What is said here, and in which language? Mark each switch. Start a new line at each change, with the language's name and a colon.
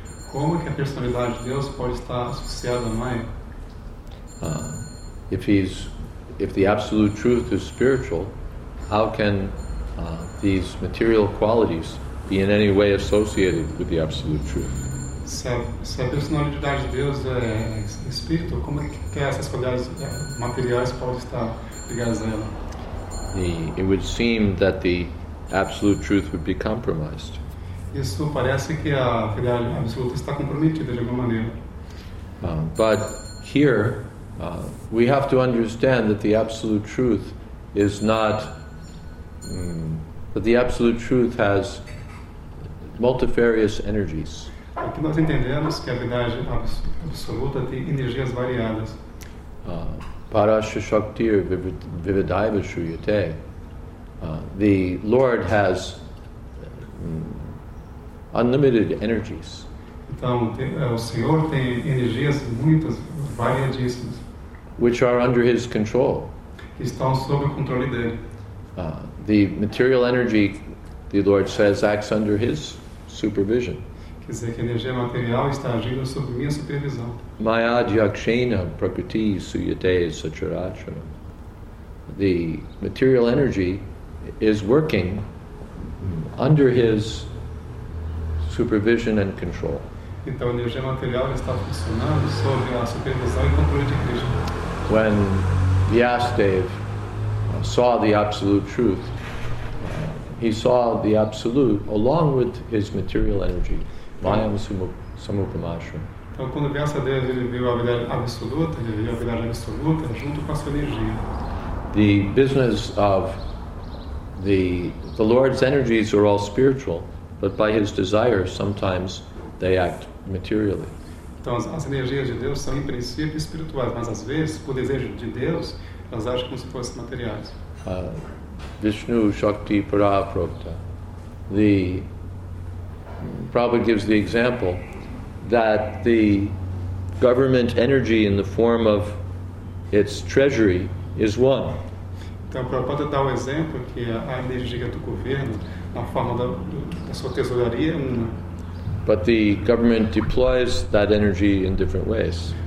Portuguese: Como que a personalidade de Deus pode estar associada a Maya?
English: If the absolute truth is spiritual, how can these material qualities be in any way associated with the absolute truth?
Portuguese: Se a personalidade de Deus é espírito, como que essas qualidades materiais podem estar ligadas a ela?
English: It would seem that the absolute truth would be compromised.
Portuguese: Isso parece que a verdade absoluta está comprometida de alguma maneira.
English: But here, we have to understand that the absolute truth is not. But the absolute truth has multifarious energies.
Portuguese: Aqui nós entendemos que a verdade absoluta tem energias variadas.
Sanskrit: Parasya Shaktir Vividaiva Shruyate.
English: The Lord has unlimited energies.
Portuguese: Então, o Senhor tem energias muitas, variadíssimas.
English: Which are under His control.
Portuguese: Que estão sob o controle dele.
English: The material energy, the Lord says, acts under His supervision.
Portuguese: Quer dizer que a energia material está agindo sob minha supervisão.
Sanskrit: Maya Jyakshena Prakriti Suyate Sacharachara.
English: The material energy is working under His supervision and control.
Portuguese: Então a energia material está funcionando sob a supervisão e controle de Krishna.
English: When Vyasadeva saw the absolute truth, he saw the absolute along with his material energy.
Sanskrit: Vayam Samupamashram.
Portuguese: Então, quando vem essa ideia, ele viu a verdade absoluta, ele viu a verdade absoluta junto com a sua energia.
English: The business of the Lord's energies are all spiritual, but by his desire, sometimes they act materially.
Portuguese: Então, as energias de Deus são, em princípio, espirituais, mas às vezes, por desejo de Deus, elas agem como se fossem materiais.
Sanskrit: Vishnu Shakti Paraprabhu,
English: the Prabhupada gives the example that the government energy in the form of its treasury is one.
Portuguese: Então, o Prabhupada dá o exemplo que a energia do governo na forma da sua tesouraria é uma.
English: But the government deploys that energy in different ways.